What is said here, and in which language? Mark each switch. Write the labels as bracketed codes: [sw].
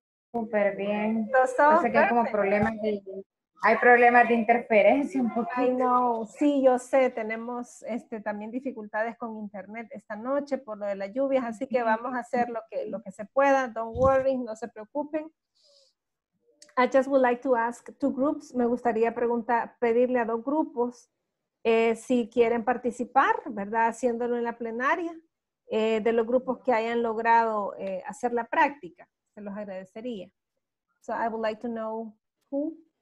[es] Súper bien. Pasa que hay como problemas de... Hay problemas de interferencia un poquito. [en] I know. [es] Sí, yo sé, tenemos también dificultades con internet esta noche por lo de las lluvias, así que vamos a hacer lo que se pueda. [en] Don't worry, [es] no se preocupen. [en] I just would like to ask two groups. [es] Me gustaría pedirle a dos grupos si quieren participar, ¿verdad? Haciéndolo en la plenaria, de los grupos que hayan logrado hacer la práctica. Se los agradecería. [en] So I would like to know who.